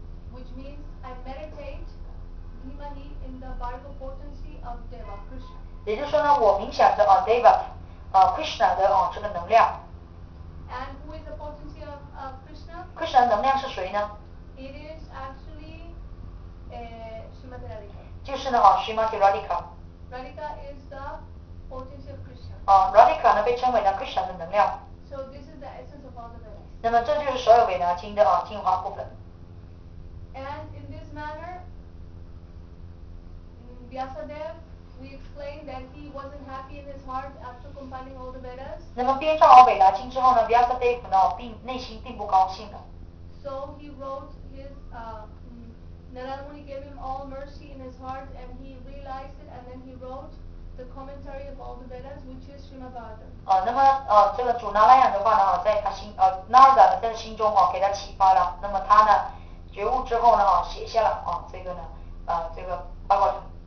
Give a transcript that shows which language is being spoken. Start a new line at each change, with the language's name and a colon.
English: Which means I meditate Dhimahi in the Bhargava potency of Deva Krishna.
Chinese: 也就是说呢，我冥想着Deva Krishna 的这个能量。
English: And who is the potency of Krishna?
Chinese: Krishna 能量是谁呢
English: ？It is actually Srimati Radhika.
Chinese: 就是呢Srimati Radhika.
English: Radhika is the potency of Krishna.
Chinese: Radhika 呢被称为呢 Krishna 的能量。
English: So this is the essence of all the Vedas.
Chinese: 那么这就是所有韦达经的精华部分。
English: And in this manner, Vyasadev, we explained that he wasn't happy in his heart after combining all the Vedas.
Chinese: 那么编撰好伟达经之后呢 ，Vyasadev 呢并内心并不高兴的。
English: So he wrote his Narada Muni gave him all mercy in his heart, and he realized it, and then he wrote the commentary of all the Vedas, which is Srimad Bhagavatam.
Chinese: 那么这个主 Narayan 的话呢，在他心Narada 在他心中给他启发了，那么他呢觉悟之后呢写下了这个呢这个八卦掌。